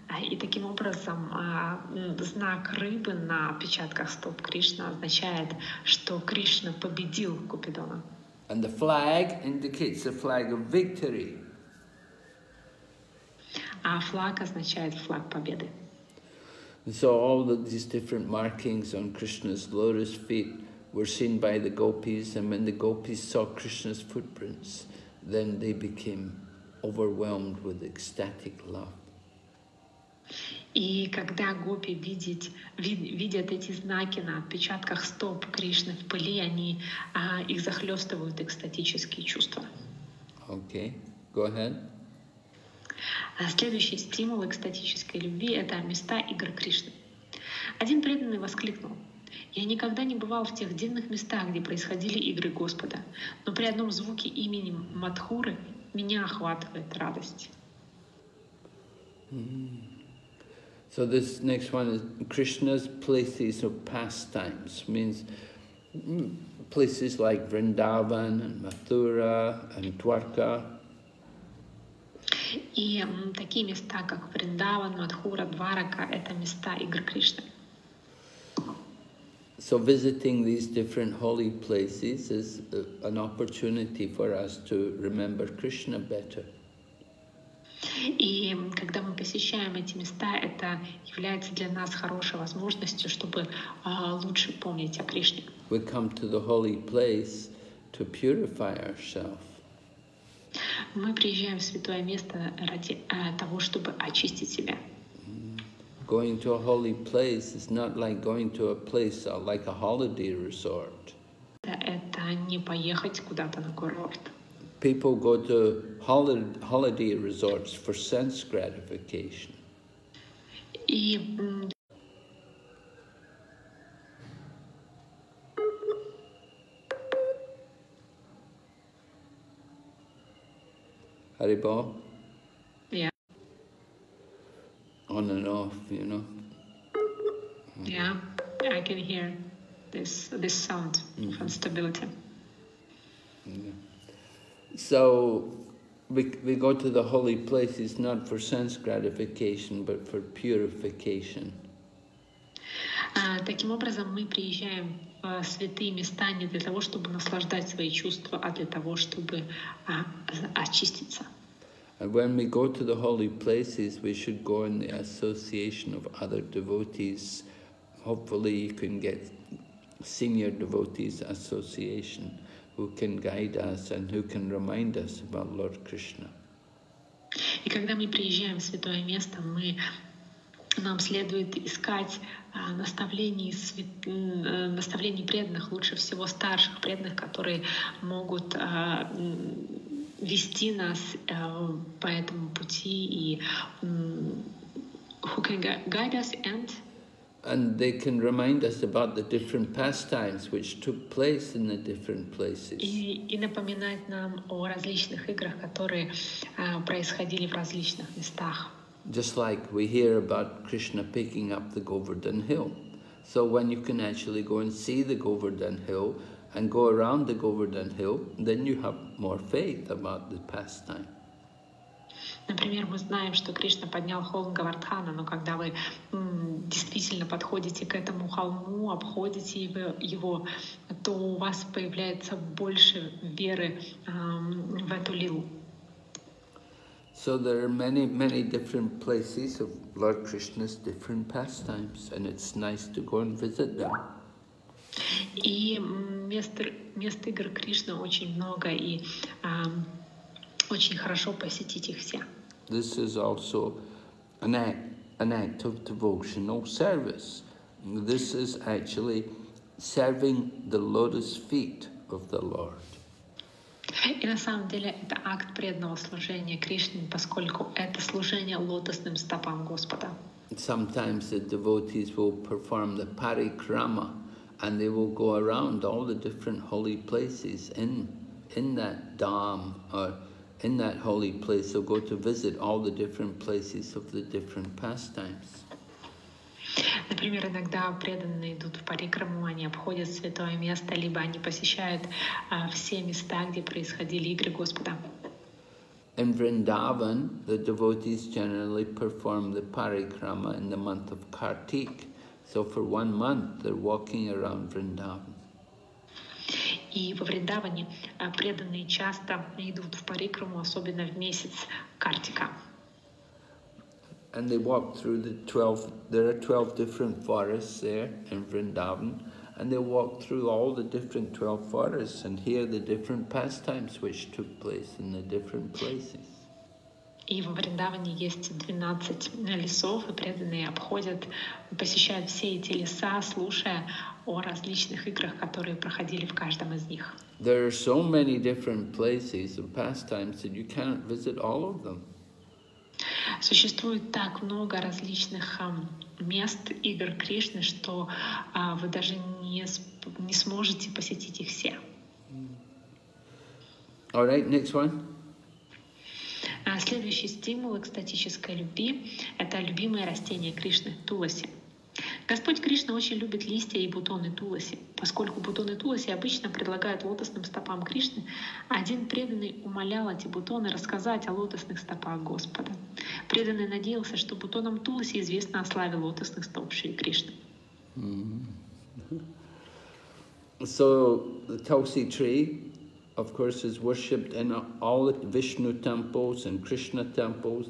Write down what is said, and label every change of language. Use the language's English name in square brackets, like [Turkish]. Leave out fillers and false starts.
[Russian] И таким образом знак рыбы на отпечатках стоп Кришны означает, что Кришна победил Купидона. [English] And the flag indicates the flag of victory. [Russian] А флаг означает флаг победы. [English] And so all of these different markings on Krishna's lotus feet were seen by the gopis, and when the gopis saw Krishna's footprints, then they became overwhelmed with ecstatic love. [Russian] И когда гопи видят эти знаки на отпечатках стоп Кришны в пыли, они их захлестывают экстатические чувства. [English] Okay, go ahead. [Russian] Следующий стимул экстатической любви — это места игр Кришны. Один преданный воскликнул: «Я никогда не бывал в тех дивных местах, где происходили игры Господа, но при одном звуке имени Мадхуры меня охватывает радость». [English] So this next one is Krishna's places of pastimes, means places like Vrindavan and Mathura and Dwarka. [Russian] И такие места, как Вриндаван, Мадхура, Дварака, это места игр Кришны. [English] So visiting these different holy places is an opportunity for us to remember Krishna better. [Russian] И когда мы посещаем эти места, это является для нас хорошей возможностью, чтобы лучше помнить о Кришне. [English] We come to the holy place to purify ourselves. [Russian] Мы приезжаем в святое место ради того, чтобы очистить себя. [English] Going to a holy place is not like going to a place like a holiday resort. [Russian] Это не поехать куда-то на курорт. [English] People go to holiday resorts for sense gratification. [Russian] И [English] Hare Bol. Yeah. On and off, you know. Yeah, I can hear this sound mm-hmm. from stability. Yeah. So we go to the holy places not for sense gratification, but for purification. [Russian] Таким образом, мы приезжаем в святые места не для того, чтобы наслаждать свои чувства, а для того, чтобы очиститься. [English] And when we go to the holy places, we should go in the association of other devotees. Hopefully you can get senior devotees association who can guide us and who can remind us about Lord Krishna. [Russian] И когда мы приезжаем в святое место, нам следует искать наставлений преданных, лучше всего старших преданных, которые могут вести нас по этому пути, и [English] who can guide us and And they can remind us about the different pastimes which took place in the different places. [Russian] И напоминает нам о различных играх, которые происходили в различных местах. [English] Just like we hear about Krishna picking up the Govardhan Hill. So when you can actually go and see the Govardhan Hill and go around the Govardhan Hill, then you have more faith about the pastime. [Russian] Например, мы знаем, что Кришна поднял холм Говардхана, но когда вы действительно подходите к этому холму, обходите его, то у вас появляется больше веры в эту лилу. [English] So there are many, many different places of Lord Krishna's different pastimes, and it's nice to go and visit them. [Russian] И мест игр Кришны очень много, и очень хорошо посетить их все. [English] This is also an act of devotional service. This is actually serving the lotus feet of the Lord. [Russian] И на самом деле это акт преданного служения Кришне, поскольку это служение лотосным стопам Господа. [English] Sometimes the devotees will perform the parikrama, and they will go around all the different holy places in that dham or in that holy place. They'll go to visit all the different places of the different pastimes. [Russian] Например, иногда преданные идут в парикраму, они обходят святое место, либо они посещают все места, где происходили игры Господа. [English] In Vrindavan, the devotees generally perform the parikrama in the month of Kartik. So for one month, they're walking around Vrindavan. [Russian] И во Вриндаване преданные часто идут в парикраму, особенно в месяц Картика. [English] And they walk through the 12, there are 12 different forests there in Vrindavan, and they walk through all the different 12 forests and hear the different pastimes which took place in the different places. [Russian] И во Вриндаване есть 12 лесов, и преданные обходят, посещают все эти леса, слушая о различных играх, которые проходили в каждом из них. [English] There are so many different places and pastimes that you cannot visit all of them. [Russian] Существует так много различных мест игр Кришны, что вы даже не сможете посетить их все. [English] All right, next one. [Russian] Следующий стимул экстатической любви — это любимое растение Кришны — туласи. Господь Кришна очень любит листья и бутоны туласи. Поскольку бутоны туласи обычно предлагают лотосным стопам Кришны, один преданный умолял эти бутоны рассказать о лотосных стопах Господа. Преданный надеялся, что бутонам туласи известно о славе лотосных стоп Шри Кришны. [English] So the tulsi tree, of course, is worshipped in all the Vishnu temples and Krishna temples.